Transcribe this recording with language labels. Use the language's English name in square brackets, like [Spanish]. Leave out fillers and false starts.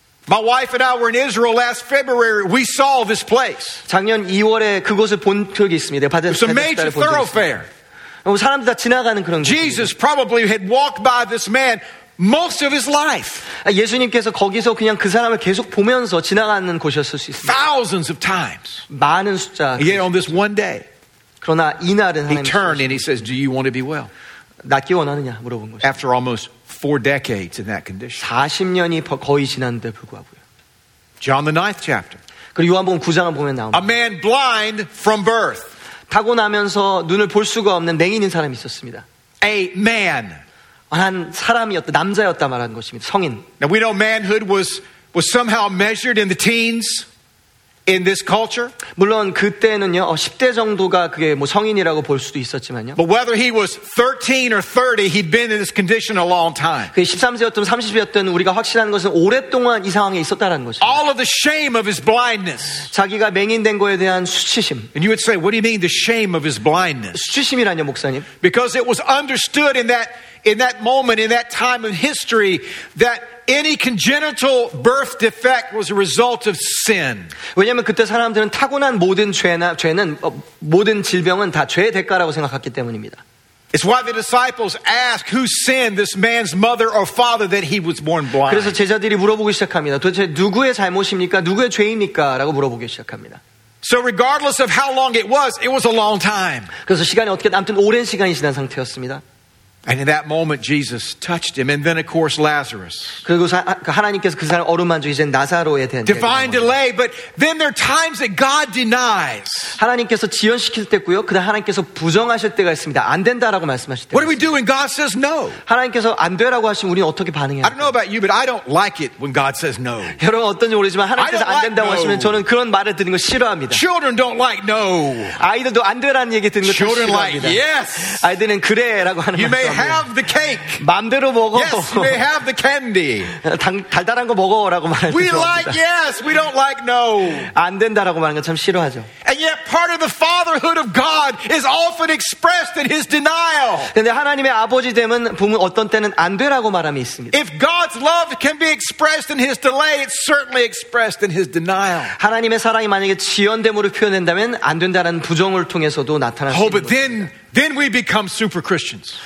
[English] My wife and I were in Israel last February. We saw this place. [Korean] 작년 2월에 그곳을 본 적이 있습니다. [English] It was a major thoroughfare. [Korean] 사람들이 다 지나가는 그런 [English] Jesus probably had walked by this man most of his life. [Korean] 예수님께서 거기서 그냥 그 사람을 계속 보면서 지나가는 곳이었을 수 있습니다. [English] Thousands of times. [Korean] 많은 숫자. [English] Yet on this one day. [Korean] 그러나 이날은 [English] He turned and he says, "Do you want to be well?" [Korean] 낫기 원하느냐 물어본 것이. [English] After almost four decades in that condition. [Korean] 40년이 거의 지났는데 불구하고요. [English] John the ninth chapter. [Korean] 그리고 요한복음 9장을 보면 나옵니다. [English] A man blind from birth. [Korean] 타고나면서 눈을 볼 수가 없는 맹인인 사람이 있었습니다. [English] A man. [Korean] 한 사람이었다 남자였다 말하는 것입니다. 성인. [English] Now we know manhood was somehow measured in the teens. In this culture, [Korean] 물론 그때는요 10대 정도가 그게 뭐 성인이라고 볼 수도 있었지만요. [English] But whether he was 13 or 30, he'd been in this condition a long time. [Korean] 그 13세였든 30이었든 우리가 확실한 것은 오랫동안 이 상황에 있었다라는 것입니다. [English] All of the shame of his blindness. [Korean] 자기가 맹인된 거에 대한 수치심. [English] And you would say, what do you mean the shame of his blindness? [Korean] 수치심이라뇨 목사님? [English] Because it was understood in that moment, in that time of history, that any congenital birth defect was a result of sin. [Korean] 왜냐하면 그때 사람들은 타고난 모든 죄는 모든 질병은 다 죄의 대가라고 생각했기 때문입니다. [English] It's why the disciples asked who sinned this man's mother or father that he was born blind. [Korean] 그래서 제자들이 물어보기 시작합니다. 도대체 누구의 잘못입니까? 누구의 죄입니까?라고 물어보기 시작합니다. [English] So regardless of how long it was a long time. [Korean] 그래서 시간이 어떻게 아무튼 오랜 시간이 지난 상태였습니다. [English] And in that moment, Jesus touched him, and then, of course, Lazarus. [Korean] 그리고 하나님께서 그 사람 어루만져 이제 나사로에 대한 [English] divine delay. But then there are times that God denies. [Korean] 하나님께서 지연시킬 때고요. 그다음 하나님께서 부정하실 때가 있습니다. 안 된다라고 말씀하실 때. [English] What do we do when God says no? [Korean] 하나님께서 안 되라고 하시면 우리는 어떻게 반응해요? [English] I don't know about you, but I don't like it when God says no. [Korean] 여러분 어떤지 모르지만 하나님께서 안 된다고 하시면 저는 그런 말을 듣는 거 싫어합니다. [English] Children don't like no. [Korean] 아이들도 안 되라는 얘기 듣는 거 [English] Children [Korean] 싫어합니다. [English] Like, yes. [Korean] 아이들은 그래라고 하는 거. [English] Have the cake. [Korean] 마음대로 먹어. [English] Yes, may have the candy. [Korean] 달달한 거 먹어라고 말하는 거. [English] We like yes, we don't like no. [Korean] 안 된다라고 말하는 거 참 싫어하죠. [English] And yet part of the fatherhood of God is often expressed in his denial. [Korean] 근데 하나님의 아버지 됨은 보면 어떤 때는 안 되라고 말함이 있습니다. [English] If God's love can be expressed in his delay, it's certainly expressed in his denial. [Korean] 하나님의 사랑이 만약에 지연됨으로 표현된다면 안 된다라는 부정을 통해서도 나타날 수 있습니다. [English] Oh, but then we become super Christians.